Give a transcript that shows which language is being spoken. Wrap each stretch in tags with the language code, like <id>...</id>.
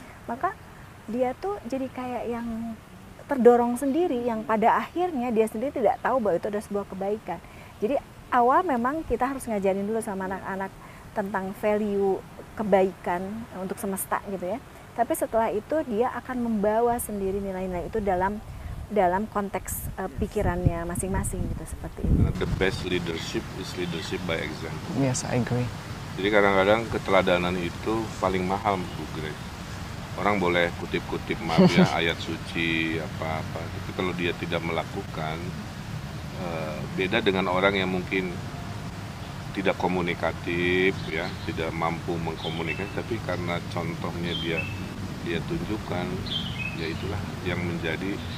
<id>Maka dia tuh jadi kayak yang terdorong sendiri, yang pada akhirnya dia sendiri tidak tahu bahwa itu ada sebuah kebaikan. Jadi awal memang kita harus ngajarin dulu sama anak-anak tentang value kebaikan untuk semesta gitu ya. Tapi setelah itu dia akan membawa sendiri nilai-nilai itu dalam konteks pikirannya masing-masing gitu, seperti itu.</id> <en>The best leadership is leadership by example. Yes, I agree.</en> <id>Jadi kadang-kadang keteladanan itu paling mahal, Bu Grace. Orang boleh kutip-kutip maaf ya ayat suci apa-apa, tapi kalau dia tidak melakukan, beda dengan orang yang mungkin tidak komunikatif ya, tidak mampu mengkomunikasi, tapi karena contohnya dia tunjukkan, ya itulah yang menjadi</id>